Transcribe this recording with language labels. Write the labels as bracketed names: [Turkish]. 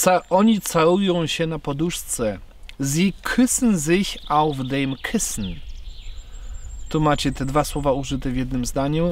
[Polish] Oni całują się na poduszce. [German] Sie küssen sich auf dem Kissen. [Polish] Tu macie te dwa słowa użyte w jednym zdaniu.